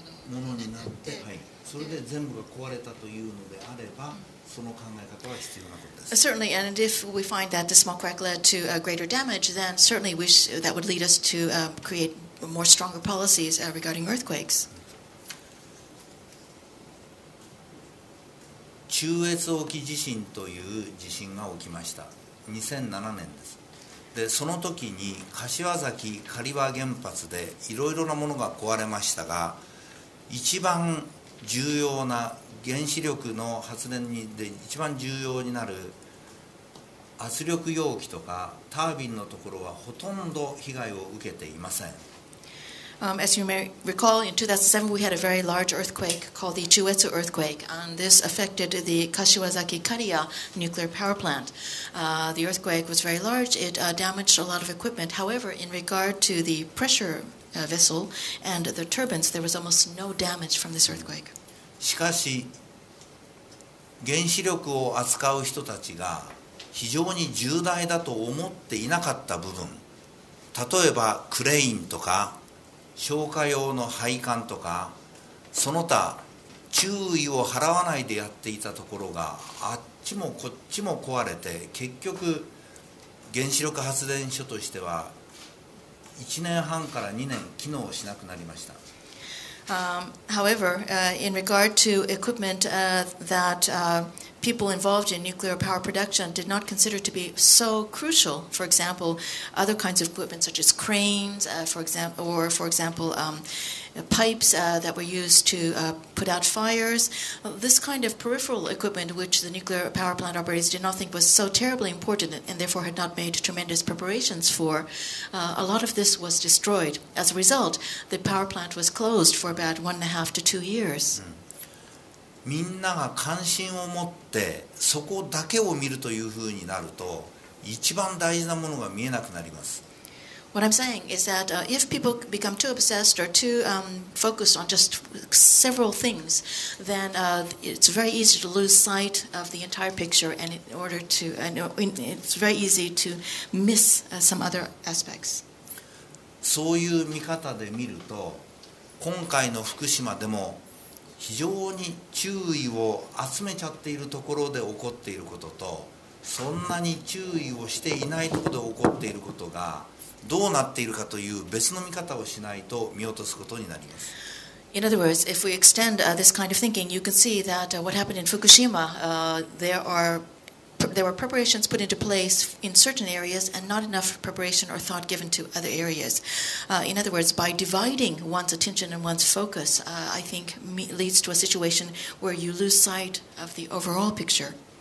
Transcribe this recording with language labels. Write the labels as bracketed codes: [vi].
[ja] ものになって、はい、それで全部が壊れたというのであれば、その考え方は必要なことです。 [en] Certainly, and if we find that the small crack led to a greater damage, then certainly we that would lead us to create more stronger policies regarding earthquakes. [ja] 中越沖地震という地震が起きました。 2007年です。で、その時に柏崎刈羽原発でいろいろなものが壊れましたが、一番重要な原子力の発電にで一番重要になる圧力容器とかタービンのところはほとんど被害を受けていません。 [en] As you may recall, in 2007 we had a very large earthquake called the Chuetsu earthquake, and this affected the Kashiwazaki Kariya nuclear power plant. The earthquake was very large, it damaged a lot of equipment. However, in regard to the pressure vessel and the turbines, there was almost no damage from this earthquake. [ja] しかし、原子力を扱う人たちが非常に重大だと思っていなかった部分、例えばクレインとか消火用の配管とかその他注意を払わないでやっていたところがあっちもこっちも壊れて結局原子力発電所としては1年半から2年機能しなくなりました。 [en] However, in regard to equipment that people involved in nuclear power production did not consider to be so crucial, for example, other kinds of equipment such as cranes, for example, pipes that were used to put out fires, this kind of peripheral equipment which the nuclear power plant operators did not think was so terribly important and therefore had not made tremendous preparations for, a lot of this was destroyed. As a result, the power plant was closed for about 1.5 to 2 years. [ja] みんなが関心を持ってそこだけを見るというふうになると一番大事なものが見えなくなります。 [en] What I'm saying is that if people become too obsessed or too focused on just several things, then it's very easy to lose sight of the entire picture and in order to, it's very easy to miss some other aspects. [ja] そういう見方で見ると今回の福島でも非常に注意を集めちゃっているところで起こっていることとそんなに注意をしていないところで起こっていることがどうなっているかという別の見方をしないと見落とすことになります。 [en] In other words, if we extend this kind of thinking, you can see that what happened in Fukushima, there were preparations put into place in certain areas and not enough preparation or thought given to other areas. In other words, by dividing one's attention and one's focus, I think leads to a situation where you lose sight of the overall picture.